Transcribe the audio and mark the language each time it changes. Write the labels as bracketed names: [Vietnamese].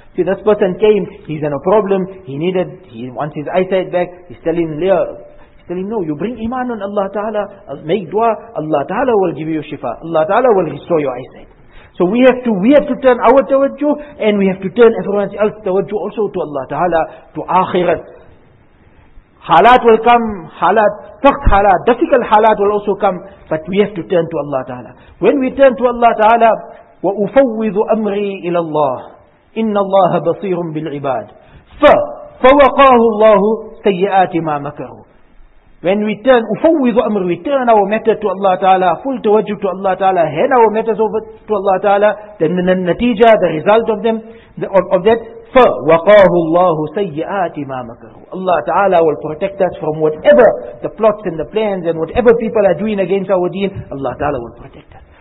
[English] See, this person came, he's in a problem, he wants his eyesight back, he's telling, no, you bring iman on Allah Ta'ala, make dua, Allah Ta'ala will give you shifa, Allah Ta'ala will restore your eyesight. So we have to turn our tawajjuh, and we have to turn everyone else's tawajjuh also to Allah Ta'ala, to akhirat. Halat will come, halat, tough halat, difficult halat will also come, but we have to turn to Allah Ta'ala. When we turn to Allah Ta'ala, [Arabic] وَأُفَوِّذُ أَمْرِي إِلَى اللَّهِ إِنَّ اللَّهَ بَصِيرٌ بِالْعِبَادِ فَوَقَاهُ اللَّهُ سَيِّئَاتِ مَا مَكَرُوا. [English] When we turn, [Arabic] ufawwidhu amr, [English] we turn our matter to Allah Ta'ala, full tawajjuh to Allah Ta'ala, hand our matters over to Allah Ta'ala, then the natija, the result of them, of that, [Arabic] fa waqahu Allahu sayyi'ati ma makaru. [English] Allah Ta'ala will protect us from whatever the plots and the plans and whatever people are doing against our deen, Allah Ta'ala will protect us.